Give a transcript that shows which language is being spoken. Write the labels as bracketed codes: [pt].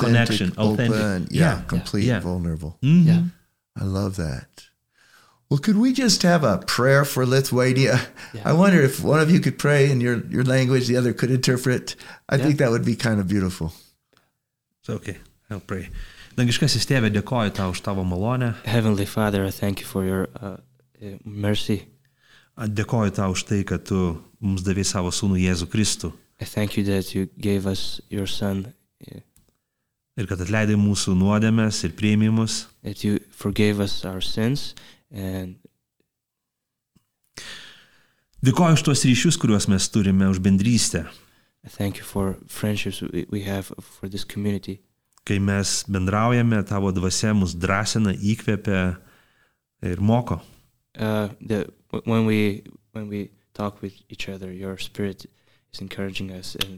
[en] connection, open, complete, vulnerable. Mm-hmm. Yeah. I love that. Well, could we just have a prayer for Lithuania? Yeah. I wonder if one of you could pray in your language, the other could interpret. I think that would be kind of beautiful. It's okay. I'll pray. [lt] Dangiškasis tėve, dėkoju tau už tavo malonę. [en] Heavenly Father, I thank you for your mercy. [lt] Dėkoju tau už tai, kad tu mums davė savo sūnų Jėzų Kristų. [en] I thank you that you gave us your son. [lt] Ir kad atleidai mūsų nuodėmes ir priėmimus. [en] That you forgave us our sins. And [lt] dėkoju už tuos ryšius, kuriuos mes turime už bendrystę. [en] I thank you for friendships we have for this community. [lt] Kai mes bendraujame, tavo dvasia mus drąsina, įkvepia ir moko. [en] When we talk with each other, your spirit is encouraging us